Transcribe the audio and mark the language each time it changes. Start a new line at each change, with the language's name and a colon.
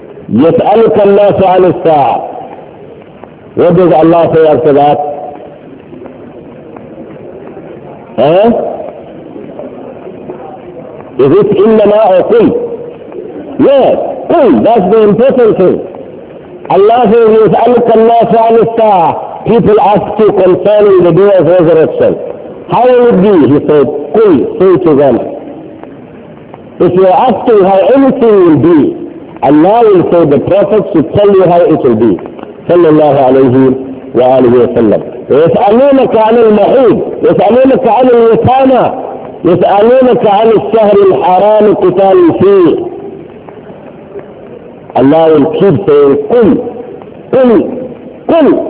Arabic: يسألك الناس عن الساعة.
English: What does Allah say after that? Is it إنما or قل? Yes, قل. That's the important thing. Allah says
Arabic: يسألك الناس عن الساعة.
English: People ask you concerning the day of resurrection. How will it be? He said, قل. Say to them. If you're asking how anything will be, Allah will say the Prophet should tell you how it will be.
Arabic: Sallallahu alayhi wa alayhi wa sallam. يَسْأَلُونَكَ عَنِ الْمَحِيضِ يَسْأَلُونَكَ عَنِ الْيَتَامَةِ يَسْأَلُونَكَ عَنِ الشَّهْرِ الْحَرَامِ قِتَالٍ فِيهِ
English: Allah will keep saying,
Arabic: قُلْ قُلْ قُلْ